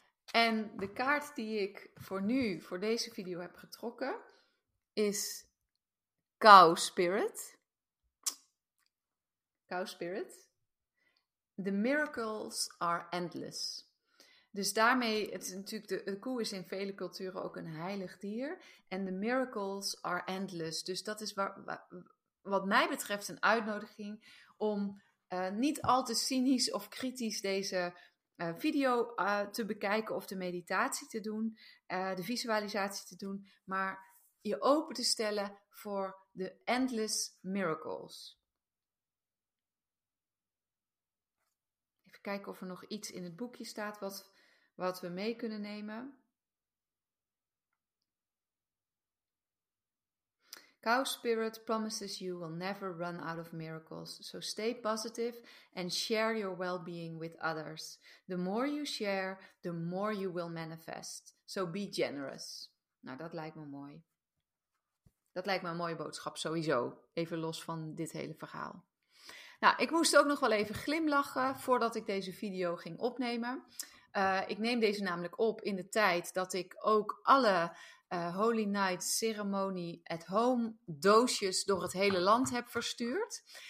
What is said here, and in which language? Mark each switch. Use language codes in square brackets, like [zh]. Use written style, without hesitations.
[nl] En de kaart die ik voor nu, voor deze video heb getrokken, is Cow Spirit. [en] Cow Spirit. The miracles are endless. [nl] Dus daarmee, het is natuurlijk, de koe is in vele culturen ook een heilig dier. En [en] the miracles are endless. [nl] Dus dat is wat mij betreft een uitnodiging om niet al te cynisch of kritisch deze video te bekijken of de meditatie te doen, de visualisatie te doen, maar je open te stellen voor de [en] endless miracles. [nl] Even kijken of er nog iets in het boekje staat wat we mee kunnen nemen. [en] Cow Spirit promises you will never run out of miracles, so stay positive and share your well-being with others. The more you share, the more you will manifest, so be generous. [nl] Nou, dat lijkt me mooi. Dat lijkt me een mooie boodschap sowieso, even los van dit hele verhaal. Nou, ik moest ook nog wel even glimlachen voordat ik deze video ging opnemen. Ik neem deze namelijk op in de tijd dat ik ook alle Holy Night Ceremony at Home doosjes door het hele land heb verstuurd.